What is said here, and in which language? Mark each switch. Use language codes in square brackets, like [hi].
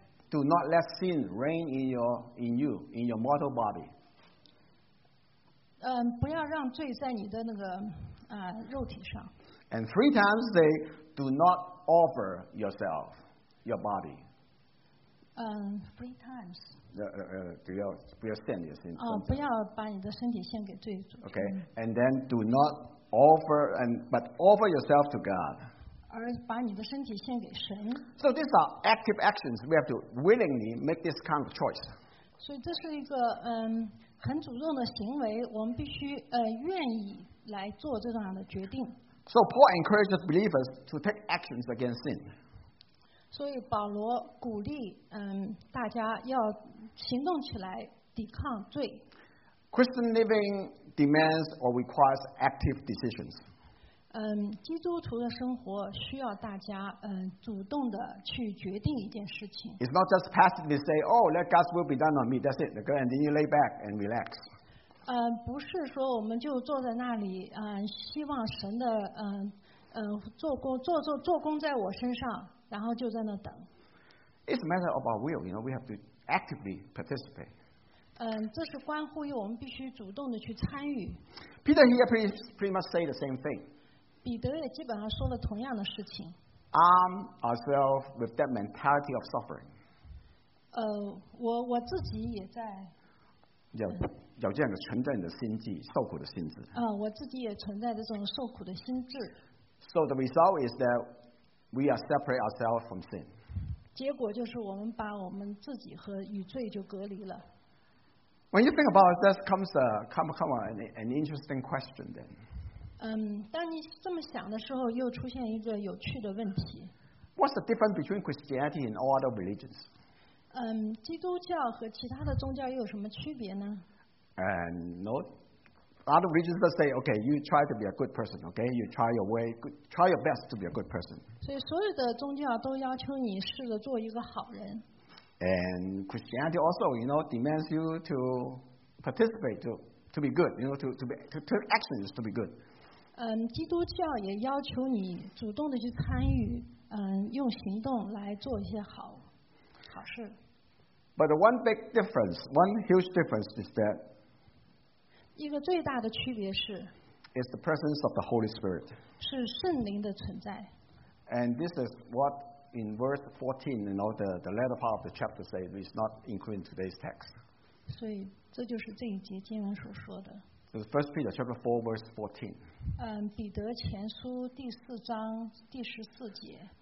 [en] Do not let sin reign in your mortal body. [zh] 不要让罪在你的那个肉体上。 [en] And three times they do not offer yourself, your body. Three times. [zh] 不要献你的身体。不要把你的身体献给罪。 [en] Okay, and then do not offer but offer yourself to God. [zh] 而把你的身体献给神。 [en] So these are active actions. We have to willingly make this kind of choice. [zh] 所以这是一个很主动的行为，我们必须愿意来做这样的决定。 [en] So Paul encourages believers to take actions against sin. [zh] 所以保罗鼓励大家要行动起来抵抗罪。 [en] Christian living demands or requires active decisions. [zh] 基督徒的生活需要大家主动的去决定一件事情。 [en] It's not just passively say, "Oh, let God's will be done on me. That's it." And then you lay back and relax. [zh] 不是说我们就坐在那里希望神的做工在我身上，然后就在那等。 [en] It's a matter of our will. You know, we have to actively participate. [zh] 这是关乎于我们必须主动的去参与。 [en] Peter here pretty much say the same thing. [zh] 彼得也基本上说了同样的事情。 [en] Arm ourselves with that mentality of suffering. [zh] 我自己也在。有这样的存在你的心智，受苦的心智。我自己也存在这种受苦的心智。 [en] So the result is that we are separate ourselves from sin. [zh] 结果就是我们把我们自己和与罪就隔离了。 [en] When you think about it, that comes an interesting question then. [zh] 当你这么想的时候，又出现一个有趣的问题。 [en] What's the difference between Christianity and all other religions? [zh] 基督教和其他的宗教又有什么区别呢？ [en] And no, other religions will say, okay, you try to be a good person, okay, you try your way, try your best to be a good person. [zh] 所以所有的宗教都要求你试着做一个好人。 [en] And Christianity also, you know, demands you to participate to be good, you know, to take actions to be good. [zh] 基督教也要求你主动的去参与，用行动来做一些好事。 [en] But one big difference, one huge difference is that [zh] 一个最大的区别是 [en] is the presence of the Holy Spirit. [zh] 是圣灵的存在。 [en] And this is what in verse 14, you know, the latter part of the chapter says, which is not included in today's text. [zh] 所以这就是这一节经文所说的。 [en] So First Peter chapter 4, verse 14. [zh] 彼得前书第四章第十四节。